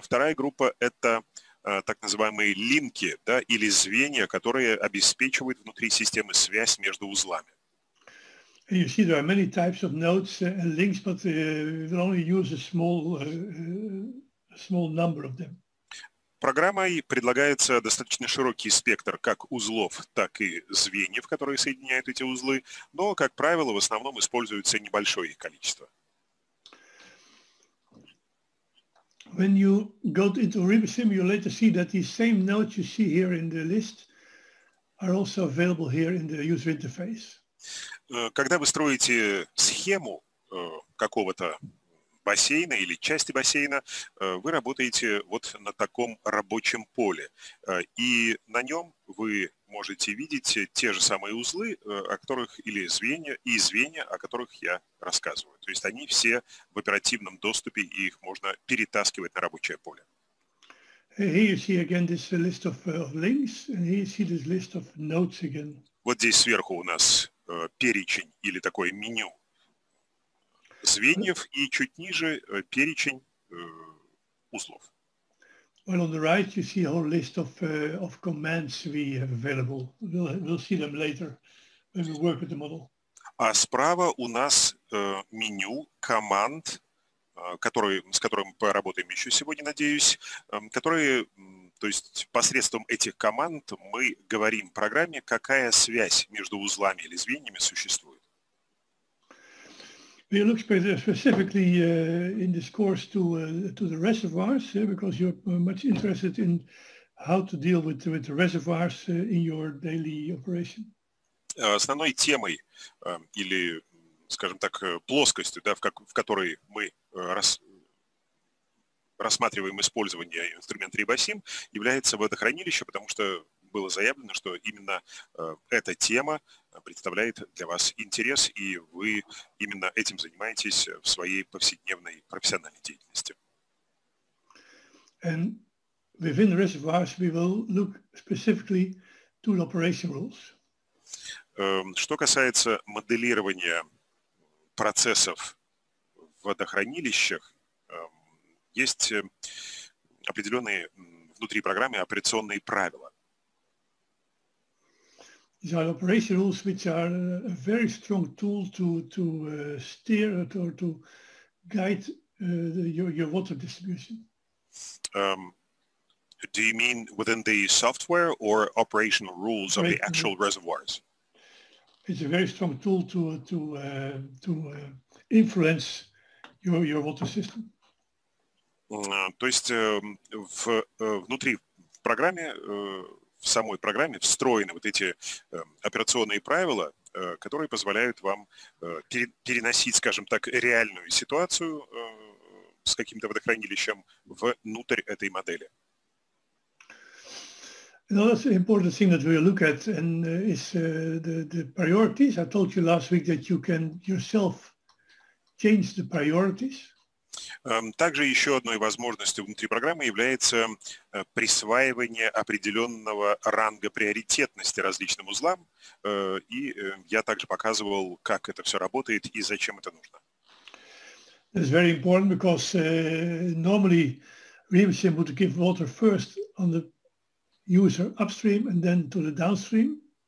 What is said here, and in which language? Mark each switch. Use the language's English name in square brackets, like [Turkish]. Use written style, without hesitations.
[Russian] Вторая группа – это так называемые линки, да, или звенья, которые обеспечивают внутри системы связь между узлами. [English] And you see there are many types of nodes and links, but we will only use a small number of them. [Russian] Программой предлагается достаточно широкий спектр как узлов, так и звеньев, которые соединяют эти узлы, но, как правило, в основном используется небольшое их количество. [English] When you go into RIBOSIM, you later see that these same nodes you see here in the list are also available here in the user interface. [Russian] Когда вы строите схему какого-то бассейна или части бассейна, вы работаете вот на таком рабочем поле. И на нем вы можете видеть те же самые узлы, о которых или звенья, о которых я рассказываю. То есть они все в оперативном доступе, и их можно перетаскивать на рабочее поле. [English] Here you see again this list of links, and here you see this list of notes again. [Russian] Вот здесь сверху у нас перечень или такое меню звеньев и чуть ниже перечень узлов. [English] Well, on the right you see a whole list of commands we have available. We'll see them later when we work with the model. [Russian] А справа у нас меню команд, с которым мы поработаем еще сегодня, надеюсь, которые, то есть посредством этих команд мы говорим программе, какая связь между узлами или звеньями существует. [English] We look specifically in this course to the reservoirs, because you're much interested in how to deal with the reservoirs in your daily operation. [Russian] Основной темой или, скажем так, плоскостью, да, в которой мы рассматриваем использование инструмента RIBOSIM, является водохранилище, потому что было заявлено, что именно эта тема представляет для вас интерес, и вы именно этим занимаетесь в своей повседневной профессиональной деятельности. [English] And within the reservoirs we will look specifically to the operation rules. [Russian] Что касается моделирования процессов в водохранилищах, есть определенные внутри программы операционные правила. [English] these are operation rules which are a very strong tool to steer or to guide your water distribution. Do you mean within the software or operational rules of the actual reservoirs? It's a very strong tool to influence your water system. [Russian] То есть внутри программы, в самой программе встроены вот эти операционные правила, которые позволяют вам переносить, скажем так, реальную ситуацию с каким-то водохранилищем внутрь этой модели. [English] Another important thing that we look at and is the priorities. I told you last week that you can yourself change the priorities. [Russian] Также еще одной возможностью внутри программы является присваивание определенного ранга приоритетности различным узлам. И я также показывал, как это все работает и зачем это нужно. [English] It's very important because normally Riemsim would give water first on the user upstream and then to the downstream.